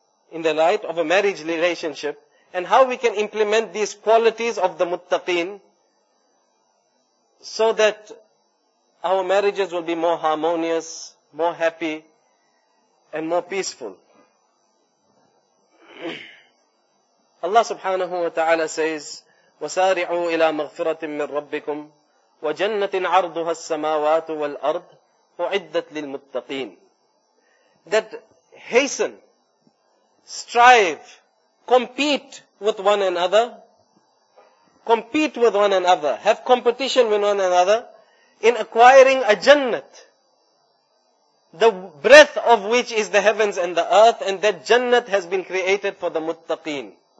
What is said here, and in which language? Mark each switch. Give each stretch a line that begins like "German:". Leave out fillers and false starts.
English: In the light of a marriage relationship. And how we can implement these qualities of the muttaqeen so that our marriages will be more harmonious, more happy, and more peaceful.
Arabic: Allah subhanahu wa ta'ala says, وَسَارِعُوا إِلَىٰ مَغْفِرَةٍ مِّن رَبِّكُمْ وَجَنَّةٍ عَرْضُهَا السَّمَاوَاتُ وَالْأَرْضُ أُعِدَّتْ لِلْمُتَّقِينَ.
English: That hasten, strive, compete with one another, compete with one another, have competition with one another in acquiring a jannat, the breadth of which is the heavens and the earth, and that jannat has been created for the muttaqeen.